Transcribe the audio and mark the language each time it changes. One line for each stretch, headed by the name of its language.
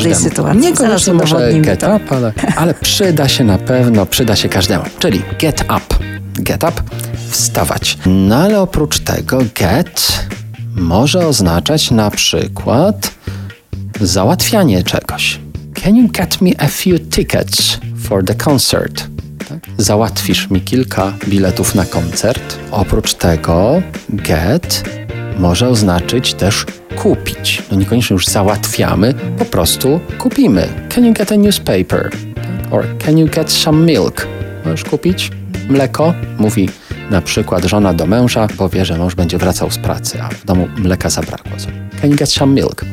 Polish: W każdej sytuacji. Niekoniecznie może get up, ale przyda się na pewno, przyda się każdemu. Czyli get up. Get up, wstawać. No ale oprócz tego get może oznaczać na przykład załatwianie czegoś.
English: Can you get me a few tickets for the concert?
Polish: Tak? Załatwisz mi kilka biletów na koncert. Oprócz tego get może oznaczyć też kupić. No niekoniecznie już załatwiamy, po prostu kupimy.
English: Can you get a newspaper? Or can you get some milk?
Polish: Możesz kupić mleko, mówi na przykład żona do męża, bo wie, że mąż będzie wracał z pracy, a w domu mleka zabrakło.
English: Can you get some milk?